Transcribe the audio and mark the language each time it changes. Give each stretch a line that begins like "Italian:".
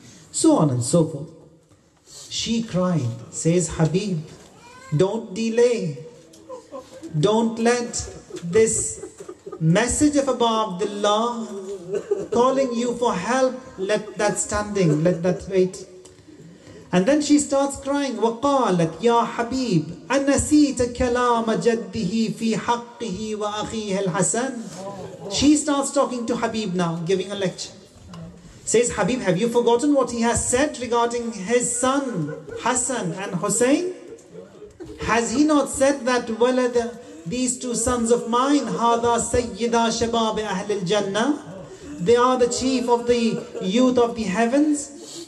English: So on and so forth. She cried, says, Habib, don't delay. Don't let this message of Abu Abdullah calling you for help, let that standing, let that wait. And then she starts crying,
Arabic: وَقَالَتْ يَا حَبِيب أَنَّسِيتَ كَلَامَ جَدِّهِ فِي حَقِّهِ وَأَخِيهِ الْحَسَنِ.
English: She starts talking to Habib now, giving a lecture. Says, Habib, have you forgotten what he has said regarding his son Hassan and Hussein? Has he not said that
Arabic: وَلَدَ
English: these two sons of mine,
Arabic: هَذَا سَيِّدَا شَبَابِ أَهْلِ الْجَنَّةِ,
English: they are the chief of the youth of the heavens?